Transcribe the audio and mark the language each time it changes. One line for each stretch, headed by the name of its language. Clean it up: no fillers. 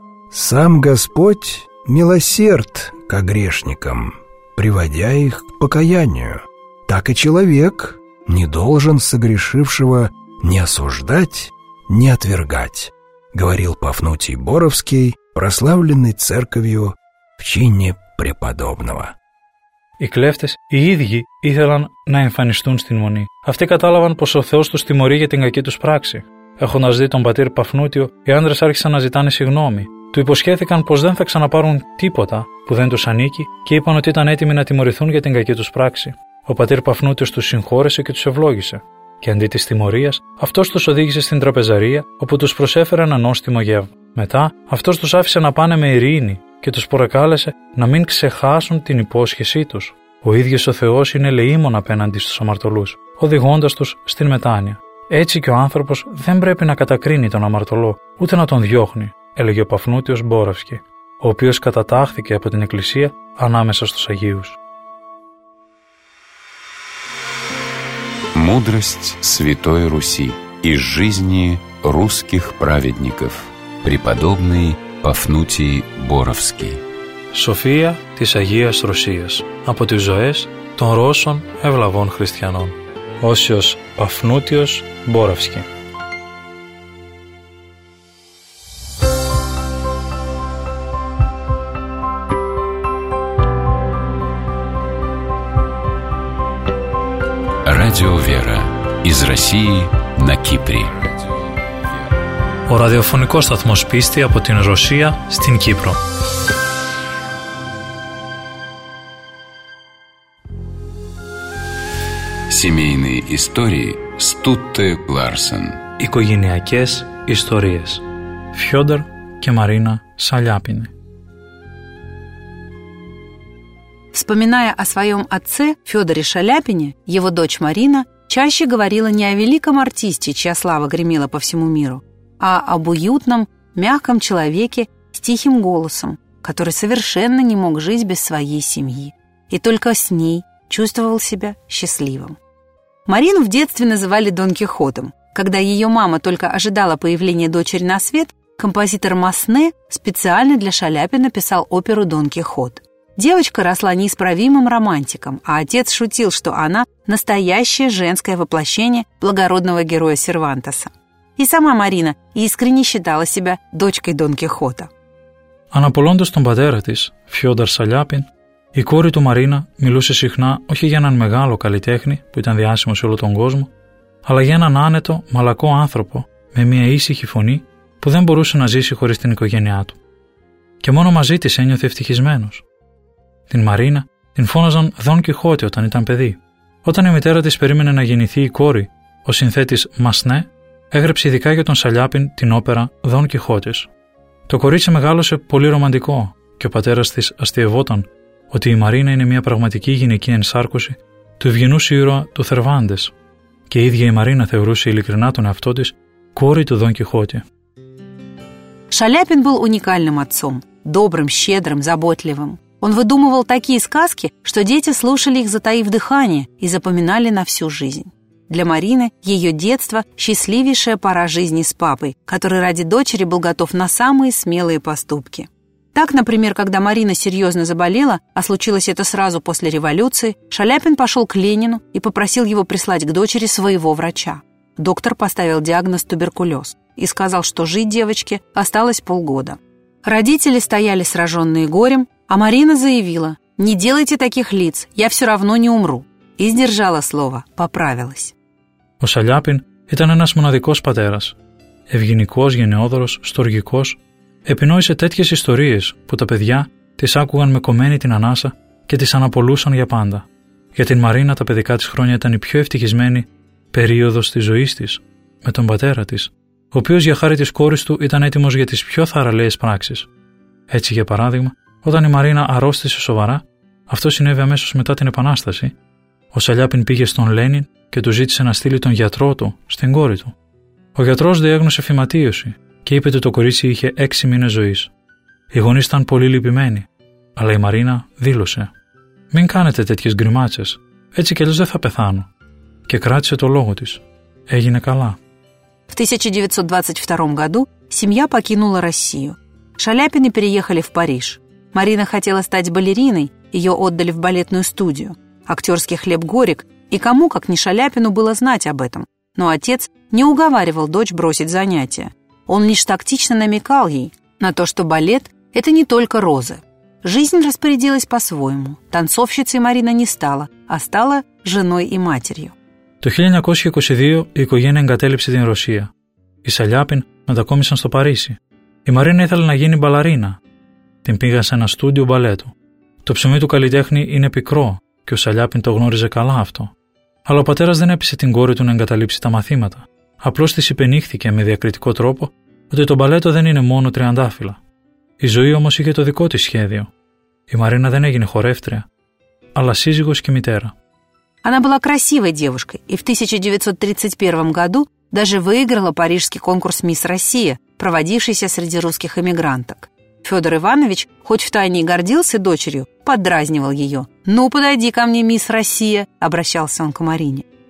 Russian: Сам Господь милосерд ко грешникам, приводя их к покаянию. Так и человек не должен согрешившего ни осуждать, ни отвергать, говорил Пафнутий Боровский, прославленный церковью в чине преподобного.
Greek: Οι κλέφτες οι ίδιοι ήθελαν να εμφανιστούν στην Μονή. Αυτοί κατάλαβαν πως ο Θεός τους τιμωρεί για την κακή τους πράξη. Έχοντας δει τον πατήρ Παφνούτιο, οι άντρες άρχισαν να ζητάνε συγγνώμη. Του υποσχέθηκαν πως δεν θα ξαναπάρουν τίποτα που δεν τους ανήκει και είπαν ότι ήταν έτοιμοι να τιμωρηθούν για την κακή τους πράξη. Ο πατήρ Παφνούτιος τους συγχώρεσε και τους ευλόγησε. Και αντί της τιμωρίας, αυτός τους οδήγησε στην τραπεζαρία όπου τους προσέφερε ένα νόστιμο γεύμα. Μετά, αυτός τους άφησε να πάνε με ειρήνη και τους προκάλεσε να μην ξεχάσουν την υπόσχεσή τους. Ο ίδιος ο Θεός είναι ελεήμων απέναντι στους αμαρτωλούς, οδηγώντας τους στην μετάνοια. Έτσι και ο άνθρωπος δεν πρέπει να κατακρίνει τον αμαρτωλό, ούτε να τον διώχνει, έλεγε ο Παφνούτιος Μπόρευσκι, ο οποίος κατατάχθηκε από την Εκκλησία ανάμεσα στους Αγίους.
Russian: Мудрость Святой Руси из жизни русских праведников. Преподобный Пафнутий Боровский.
Greek: София της Агίας Ρωσίας. Από τις ζωές των Ρώσων ευλαβών χριστιανών. Όσιος Παφνούτιος Μπόρευσκι.
Russian: Радио Вера из России на Кипре.
Greek: О радиофонико сатмос писти από την Ρωσία στην Κύπρο.
Russian: Семейные истории Стутте Ларсен.
Greek: Οικογενειακές ιστορίες. Φιόντορ και Μαρίνα Σαλιάπινη.
Russian: Вспоминая о своем отце, Федоре Шаляпине, его дочь Марина чаще говорила не о великом артисте, чья слава гремела по всему миру, а об уютном, мягком человеке с тихим голосом, который совершенно не мог жить без своей семьи и только с ней чувствовал себя счастливым. Марину в детстве называли Дон Кихотом. Когда ее мама только ожидала появления дочери на свет, композитор Массне специально для Шаляпина писал оперу «Дон Кихот». Девочка росла неисправимым романтиком, а отец шутил, что она – настоящее женское воплощение благородного героя Сервантеса. И сама Марина искренне считала себя дочкой Дон Кихота.
Greek: Αναπολώντας τον πατέρα της, Фьодор Σαλιάπιν, η κόρη του Μαρίνα μιλούσε συχνά όχι για έναν μεγάλο καλλιτέχνη που ήταν διάσημο σε όλο τον κόσμο, αλλά για έναν άνετο, μαλακό άνθρωπο με μια ήσυχη φωνή που δεν μπορούσε να ζήσει χωρίς την οικογένειά του. Και μόνο μαζί της ένιωθε ευτυχισμένος. Την Μαρίνα την φώναζαν Δον Κιχώτη όταν ήταν παιδί. Όταν η μητέρα της περίμενε να γεννηθεί η κόρη, ο συνθέτης Μασνέ έγραψε ειδικά για τον Σαλιάπιν την όπερα Δον Κιχώτης. Το κορίτσι μεγάλωσε πολύ ρομαντικό και ο πατέρας της αστειευόταν ότι η Μαρίνα είναι μια πραγματική γυναική ενσάρκωση του ευγενού ήρωα του Θερβάντες και η ίδια η Μαρίνα θεωρούσε ειλικρινά τον εαυτό της κόρη του Δον Κιχώτη.
Russian: Σαλιάπιν был уникальным отцом, добрым, щедрым, заботливым. Он выдумывал такие сказки, что дети слушали их, затаив дыхание, и запоминали на всю жизнь. Для Марины ее детство – счастливейшая пора жизни с папой, который ради дочери был готов на самые смелые поступки. Так, например, когда Марина серьезно заболела, а случилось это сразу после революции, Шаляпин пошел к Ленину и попросил его прислать к дочери своего врача. Доктор поставил диагноз туберкулез и сказал, что жить девочке осталось полгода. Родители стояли сраженные горем, а Марина заявила: «Не делайте таких лиц, я все равно не умру». И сдержала слово, поправилась.
Greek: Ο Σαλιάπιν ήταν ένας μοναδικός πατέρας. Ευγενικός, γενναιόδωρος, στοργικός, επινόησε τέτοιες ιστορίες που τα παιδιά τις άκουγαν με κομμένη την ανάσα και τις αναπολούσαν για πάντα. Για την Μαρίνα τα παιδικά της χρόνια ήταν η πιο ευτυχισμένη περίοδος της ζωής της, με τον πατέρα της, ο οποίος για χάρη της κόρης του ήταν έτοιμος για τις πιο θαραλέες πράξεις. Έτσι, για παράδειγμα, όταν η Μαρίνα αρρώστησε σοβαρά, αυτό συνέβη αμέσως μετά την Επανάσταση, ο Σαλιάπιν πήγε στον Λένιν και του ζήτησε να στείλει τον γιατρό του στην κόρη του. Ο γιατρός διέγνωσε φυματίωση και είπε ότι το κορίτσι είχε 6 μήνες ζωής. Οι γονείς ήταν πολύ λυπημένοι, αλλά η Μαρίνα δήλωσε: «Μην κάνετε τέτοιες γκριμάτσες, έτσι κι αλλιώς δεν θα πεθάνω». και κράτησε το λόγο της. Έγινε καλά.
Russian: В 1922 году семья покинула Россию. Шаляпины переехали в Париж. Марина хотела стать балериной, ее отдали в балетную студию. Актерский хлеб горек, и кому, как не Шаляпину, было знать об этом. Но отец не уговаривал дочь бросить занятия. Он лишь тактично намекал ей на то, что балет – это не только розы. Жизнь распорядилась по-своему. Танцовщицей Марина не стала, а стала женой и матерью.
Greek: Το 1922 η οικογένεια εγκατέλειψε την Ρωσία. Οι Σαλιάπιν μετακόμισαν στο Παρίσι. Η Μαρίνα ήθελε να γίνει μπαλαρίνα. Την πήγαν σε ένα στούντιο μπαλέτου. Το ψωμί του καλλιτέχνη είναι πικρό και ο Σαλιάπιν το γνώριζε καλά αυτό. Αλλά ο πατέρας δεν έπεισε την κόρη του να εγκαταλείψει τα μαθήματα. Απλώς της υπενήχθηκε με διακριτικό τρόπο ότι το μπαλέτο δεν είναι μόνο τριαντάφυλλα. Η ζωή όμως είχε το δικό της σχέδιο. Η Μαρίνα δεν έγινε χορεύτρια, αλλά σύζυγος και μητέρα.
Russian: Она была красивой девушкой и в 1931 году даже выиграла парижский конкурс «Мисс Россия», проводившийся среди русских эмигранток. Федор Иванович, хоть втайне и гордился дочерью, поддразнивал ее. «Ну, подойди ко мне, мисс Россия», — обращался он к Марине.